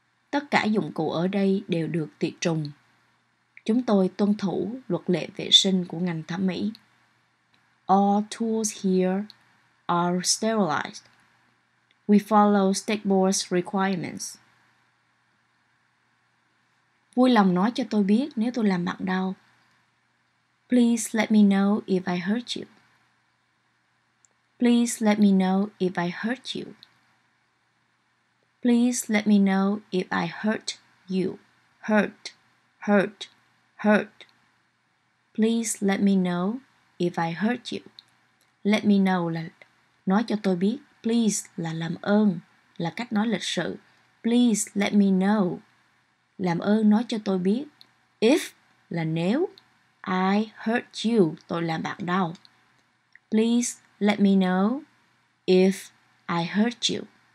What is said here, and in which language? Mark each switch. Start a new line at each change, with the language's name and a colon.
Vietnamese: Tất cả dụng cụ ở đây đều được tiệt trùng. Chúng tôi tuân thủ luật lệ vệ sinh của ngành thẩm mỹ.
English: All tools here are sterilized. We follow state board's requirements.
Vietnamese: Vui lòng nói cho tôi biết nếu tôi làm bạn đau.
English: Please let me know if I hurt you. Please let me know if I hurt you. Please let me know if I hurt you. Hurt, hurt, hurt. Please let me know if I hurt you. Let me know
Vietnamese: là nói cho tôi biết. Please là làm ơn, là cách nói lịch sự.
English: Please let me know.
Vietnamese: Làm ơn nói cho tôi biết. If là nếu.
English: I hurt you,
Vietnamese: tôi làm bạn đau.
English: Please let me know if I hurt you.